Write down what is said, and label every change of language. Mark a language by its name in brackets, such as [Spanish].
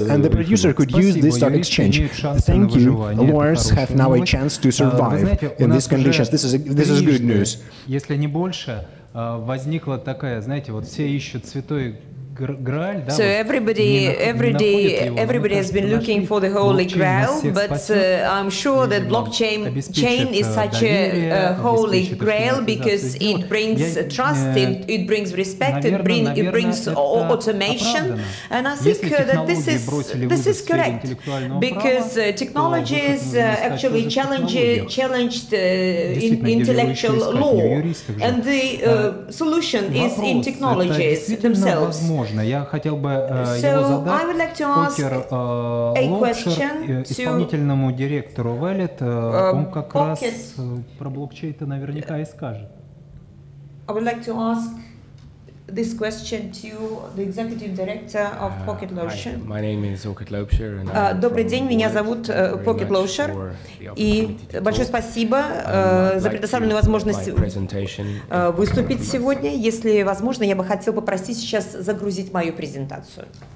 [English] And the producer could use this stock exchange. Thank you. Lawyers have now a chance to survive in these conditions. This is good news. [Russian] Если не больше, возникла такая, знаете, вот все ищут святой [English] So everybody has been looking for the Holy Grail, but I'm sure that blockchain is such a Holy Grail because it brings trust, it brings respect, it brings automation. And I think that this is correct, because technologies actually challenged intellectual law, and the solution is in technologies themselves. So I would like to ask a question to [Russian] исполнительному директору Валет, он как раз про блокчейн-то наверняка и скажет. [English] I would like to ask this question to the executive director of Pocket Loscher. My name is Pocket Loscher. [Russian] Добрый день, меня зовут Pocket Loscher. И большое спасибо за предоставленную возможность выступить сегодня. Если возможно, я бы хотел попросить сейчас загрузить мою презентацию.